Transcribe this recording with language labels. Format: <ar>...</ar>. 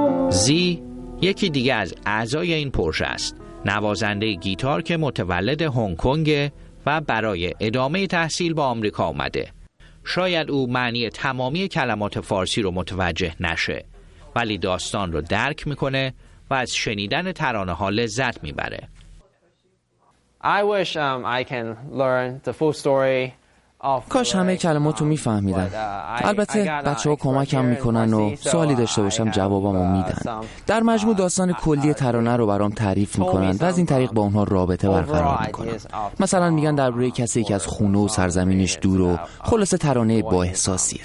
<fa>زی یکی دیگه از اعضای این پروژه است، نوازنده گیتار که متولد هنگ کنگ و برای ادامه تحصیل با آمریکا اومده. شاید او معنی تمامی کلمات فارسی رو متوجه نشه، ولی داستان رو درک میکنه و از شنیدن ترانه ها لذت میبره.</fa> <en>I wish I can learn the full story.</en> <fa>کاش همه کلماتو میفهمیدم. البته بچه ها کمکم میکنن و سوالی داشته باشم جوابامو میدن. در مجموع داستان کلی ترانه رو برام تعریف میکنن و از این طریق با اونها رابطه برقرار میکنن. مثلا میگن در روی کسی که از خونه و سرزمینش دور و خلاصه ترانه با احساسیه.</fa>